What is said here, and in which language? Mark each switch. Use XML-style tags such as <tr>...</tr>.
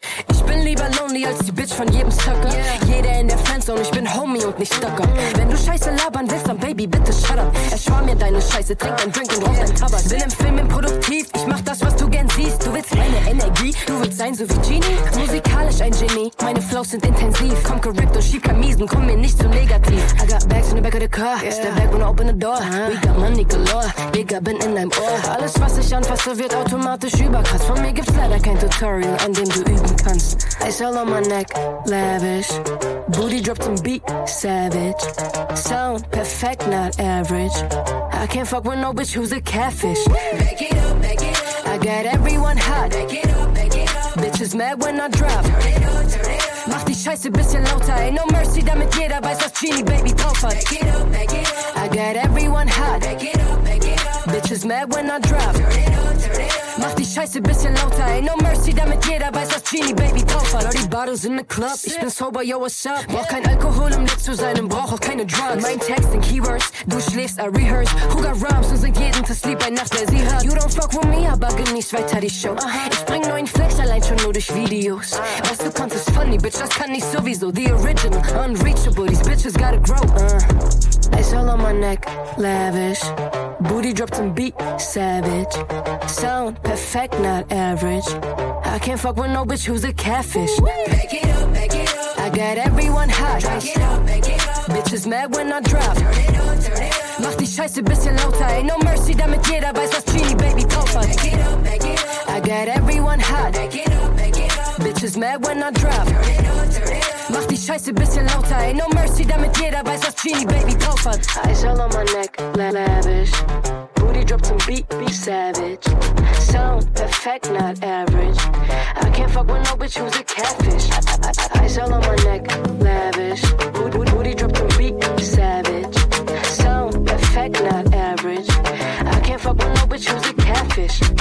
<de>Ich bin lieber lonely als die Bitch von jedem Sucker. Yeah. Jeder in der Friendzone, ich bin Homie und nicht Stucker. Yeah. Wenn du Scheiße labern willst, dann Baby, bitte</de> <en>shut up.</en> <de>Erspar mir deine Scheiße, trink dein Drink und rauch dein Tabak. Bin im Film improduktiv, ich mach das, was du gern siehst. Du willst meine Energie, du willst sein so wie Genie. Musikalisch ein Genie, meine Flows sind intensiv. Komm korrekt und schieb Kamisen, komm mir nicht zu negativ.</de> <en>I got bags in the back of the car, yeah. Step back when I open the door. We got money galore, Digga,</en> <de>bin in deinem Ohr. Alles, was ich anfasse, wird automatisch überkrass. Von mir gibt's leider kein Tutorial, an dem du üben.</de> <en>Ice all on my neck, lavish. Booty drop some beat, savage. Sound perfect, not average. I can't fuck with no bitch who's a catfish. Back it up, back it up. I got everyone hot. Back it up, back it up. Bitches mad when I drop. Turn it up, turn it up.</en> <de>Mach die Scheiße bisschen lauter.</de> <en>Ain't no mercy,</en> <de>damit jeder weiß, was Genie, baby, drauf hat.</de> <en>Back it up, back it up. I got everyone hot. Back it up, back it up. Bitch is mad when I drop.</en> <de>Mach die Scheiße bisschen lauter.</de> <en>Ain't no mercy,</en> <de>damit jeder weiß, was Genie Baby drauf hat. Die Bottles</de> <en>in the club,</en> <de>ich bin sober,</de> <en>yo, what's up?</en> <de>Brauch kein Alkohol, lit zu sein und brauch auch keine Drugs. Mein Text in Keywords, du schläfst,</de> <en>I rehearse. Who got rhymes</en> <de>und singt jeden</de> <en>to sleep</en> <de>bei Nacht, wer sie hört.</de> <en>You don't fuck with me,</en> <de>aber genieß weiter die Show. Ich bring neuen Flex, allein schon nur durch Videos. Was du kannst, ist funny, Bitch, das kann ich sowieso.</de> <en>The original, unreachable, these bitches gotta grow. Ice all on my neck, lavish. Booty dropped some beat, savage. Sound perfect, not average. I can't fuck with no bitch who's a catfish. Back it up, back it up. I got everyone hot. Back it up, back it up. Bitches mad when I drop. Turn it up.</en> <de>Mach die Scheiße bisschen lauter.</de> <en>Ain't no mercy,</en> <de>damit jeder weiß, was Genie Baby drauf hat.</de> <en>Back it up, back it up. I got everyone hot. Back it up, back it up. Bitches mad when I drop. Turn it up.</en> <de>Mach die Scheiße bisschen lauter.</de> <en>Ain't no mercy,</en> <de>damit jeder weiß, was Genie Baby drauf hat.</de> <en>Eyes all on my neck, lavish. Booty drop some beat, be savage. Sound perfect, not average. I can't fuck with no bitch who's a catfish. Eyes all on my neck, lavish. Booty drop some beat, be savage. Sound perfect, not average. I can't fuck with no bitch who's a catfish.</en>